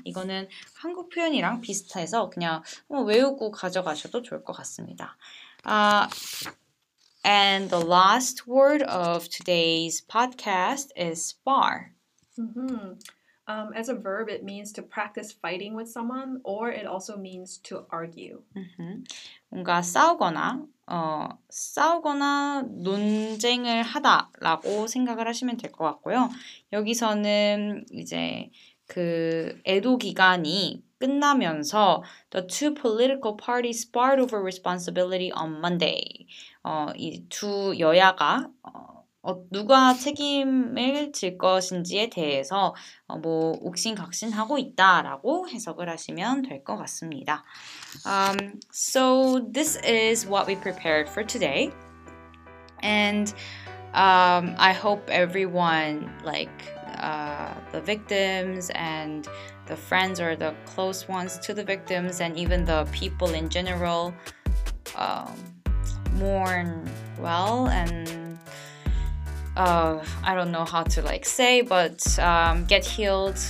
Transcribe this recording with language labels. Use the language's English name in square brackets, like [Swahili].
[Korean] 이거는 한국 표현이랑 비슷해서 그냥 한번 외우고 가져가셔도 좋을 것 같습니다. [English] And the last word of today's podcast is spar. Mm-hmm. As a verb, it means to practice fighting with someone, or it also means to argue. Mm-hmm. [Korean] 뭔가 싸우거나 논쟁을 하다라고 생각을 하시면 될 것 같고요. 여기서는 이제 그 애도 기간이 끝나면서 [English] the two political parties sparred over responsibility on Monday. [Korean] 이 두 여야가 누가 책임을 질 것인지에 대해서 뭐 옥신각신하고 있다라고 해석을 하시면 될 것 같습니다. [English] So this is what we prepared for today. And I hope everyone, like the victims and the friends or the close ones to the victims and even the people in general mourn well and I don't know how to like say, but get healed.